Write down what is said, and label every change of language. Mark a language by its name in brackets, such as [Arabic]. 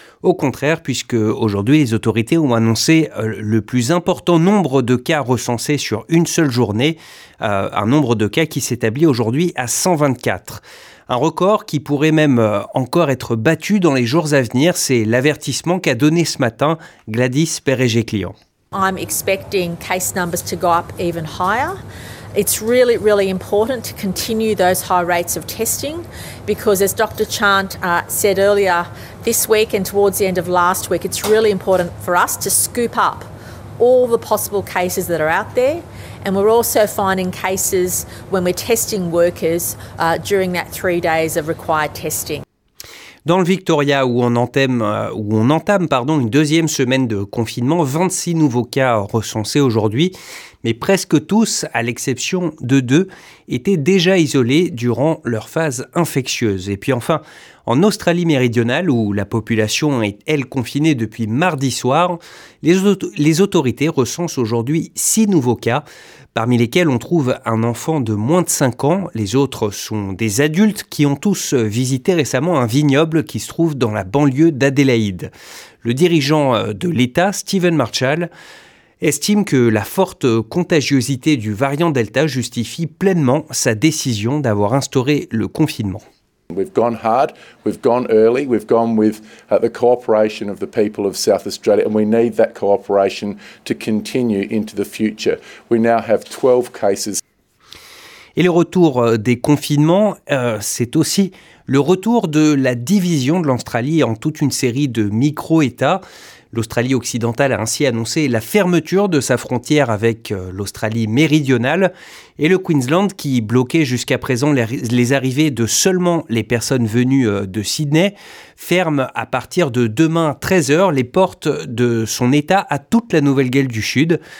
[French] Au contraire, puisque aujourd'hui, les autorités ont annoncé le plus important nombre de cas recensés sur une seule journée. Un nombre de cas qui s'établit aujourd'hui à 124. Un record qui pourrait même encore être battu dans les jours à venir. C'est l'avertissement qu'a donné ce matin Gladys Perregé-Client. [English] I'm expecting case numbers to go up even higher. It's really, really important to continue those high rates of testing because as Dr. Chant said earlier this week and towards the end of last week, it's really important for us to scoop up all the possible cases that are out there. And we're also finding cases when we're testing workers during that 3 days of required testing. [French] Dans le Victoria, où on entame une deuxième semaine de confinement, 26 nouveaux cas recensés aujourd'hui, mais presque tous, à l'exception de deux, étaient déjà isolés durant leur phase infectieuse. Et puis enfin, en Australie méridionale, où la population est, elle, confinée depuis mardi soir, les autorités recensent aujourd'hui 6 nouveaux cas, parmi lesquels on trouve un enfant de moins de 5 ans. Les autres sont des adultes qui ont tous visité récemment un vignoble qui se trouve dans la banlieue d'Adélaïde. Le dirigeant de l'État, Stephen Marshall, estime que la forte contagiosité du variant Delta justifie pleinement sa décision d'avoir instauré le confinement. We've gone hard, we've gone early, we've gone with the cooperation of the people of South Australia, and we need that cooperation to continue into the future. We now have 12 cases. Et le retour des confinements, c'est aussi le retour de la division de l'Australie en toute une série de micro-États. L'Australie occidentale a ainsi annoncé la fermeture de sa frontière avec l'Australie méridionale et le Queensland, qui bloquait jusqu'à présent les arrivées de seulement les personnes venues de Sydney, ferme à partir de demain 13h les portes de son État à toute la Nouvelle-Galles du Sud.